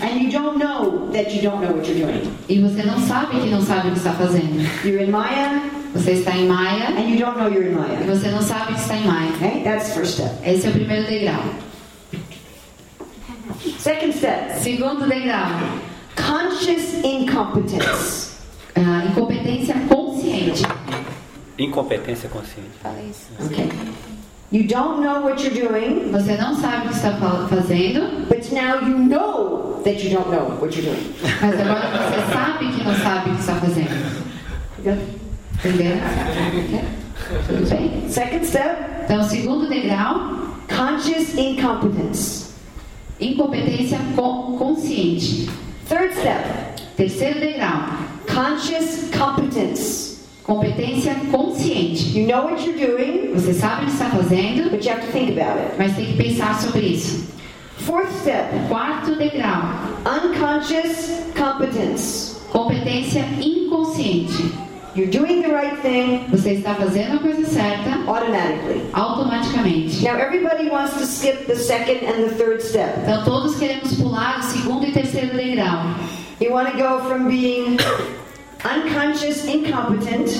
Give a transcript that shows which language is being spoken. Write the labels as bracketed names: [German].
[English] And you don't know that you don't know what you're doing. [Portuguese] E você não sabe que não sabe o que está fazendo. [English] You're in Maya. [Portuguese] Você está em Maya. [English] And you don't know you're in Maya. [Portuguese] E você não sabe que está em Maya. [English] Okay? That's first step. [Portuguese] Esse é o primeiro degrau. [English] Second step. [Portuguese] Segundo degrau. [English] Conscious incompetence. [Portuguese] Incompetência consciente. Incompetência consciente. Fala isso. [English] Okay. You don't know what you're doing. [Portuguese] Você não sabe o que está fazendo. [English] But now you know that you don't know what you're doing. [Portuguese] Mas agora você sabe que não sabe o que está fazendo. Entendeu? [English] Okay. Second step. [Portuguese] Então, segundo degrau. [English] Conscious incompetence. [Portuguese] Incompetência consciente. [English] Third step. [Portuguese] Terceiro degrau. [English] Conscious competence. [Portuguese] Competência consciente. [English] You know what you're doing, [Portuguese] você sabe o que está fazendo, [English] but you have to think about it. [Portuguese] Mas tem que pensar sobre isso. [English] Fourth step. [Portuguese] Quarto degrau. [English] Unconscious competence. [Portuguese] Competência inconsciente. [English] You're doing the right thing. [Portuguese] Você está fazendo a coisa certa. [English] Automatically. [Portuguese] Automaticamente. [English] Now everybody wants to skip the second and the third step. [Portuguese] Então todos queremos pular o segundo e terceiro degrau. [English] You want to go from being unconscious incompetent.